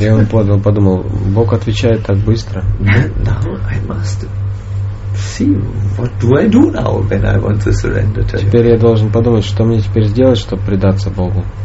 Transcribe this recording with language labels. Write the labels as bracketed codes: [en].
[ru] И он подумал, Бог отвечает так быстро. [en] Now I must see what do I do now when I want to surrender to. [ru] Теперь я должен подумать, что мне теперь сделать, чтобы предаться Богу.